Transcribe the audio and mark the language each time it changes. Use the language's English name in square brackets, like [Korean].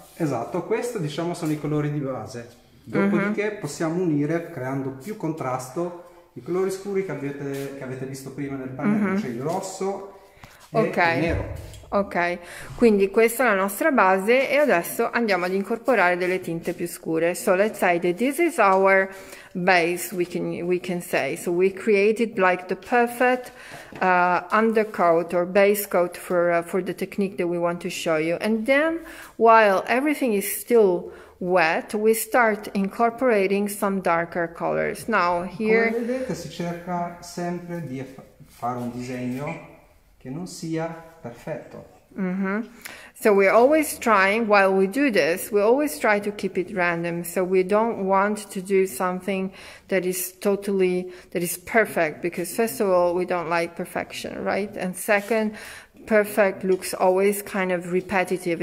[Italian] Esatto, questi diciamo sono i colori di base. Dopodiché possiamo unire, creando più contrasto, i colori scuri che avete visto prima nel pannello, cioè il rosso e il nero. Ok, quindi questa è la nostra base e adesso andiamo ad incorporare delle tinte più scure. [English] So let's say that this is our base, we can say. So we created like the perfect undercoat or base coat for the technique that we want to show you. And then while everything is still wet, we start incorporating some darker colors. Now here... [Italian] Come vedete, si cerca sempre di fare un disegno che non sia perfetto. [English] So we're always trying, while we do this, we always try to keep it random. So we don't want to do something that is totally, that is perfect, because first of all, we don't like perfection, right? And second, perfect looks always kind of repetitive.